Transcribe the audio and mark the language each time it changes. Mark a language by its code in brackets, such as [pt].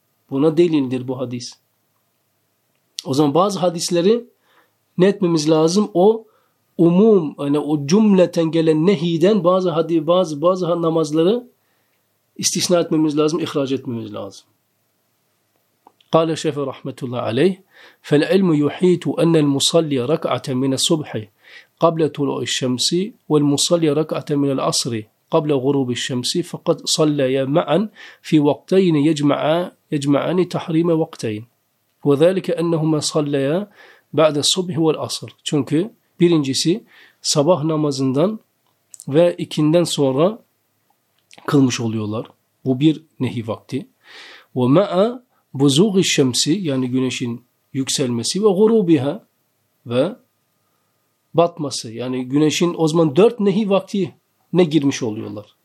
[tr] Buna delildir bu hadis. O zaman bazı hadisleri ne etmemiz lazım? O umum, yani o cümleten gelen nehiden bazı hadis, bazı namazları istisna etmemiz lazım, ihraç etmemiz lazım. [ar] Kale Şefi Rahmetullahi Aleyh فَالْعِلْمُ يُحِيطُ أَنَّ الْمُصَلِّيَ رَكْعَةً مِنَ الصُّبْحِ قَبْلَ طُلُوعِ الشَّمْسِ وَالْمُصَلِّيَ رَكْعَةً مِنَ الْعَصْرِ قبل غروب الشمس فقد صلى معا في وقتين يجمعان تحريم وقتين وذلك انهما صلى بعد الصبح والعصر. [tr] Çünkü birincisi sabah namazından ve ikinden sonra kılmış oluyorlar. Bu bir nehi vakti. [ar] وَمَعَ بُزُوغِ الشَّمْسِ [tr] yani güneşin yükselmesi ve غُرُوبِهَا ve batması yani güneşin o zaman dört nehi vakti ne girmiş oluyorlar.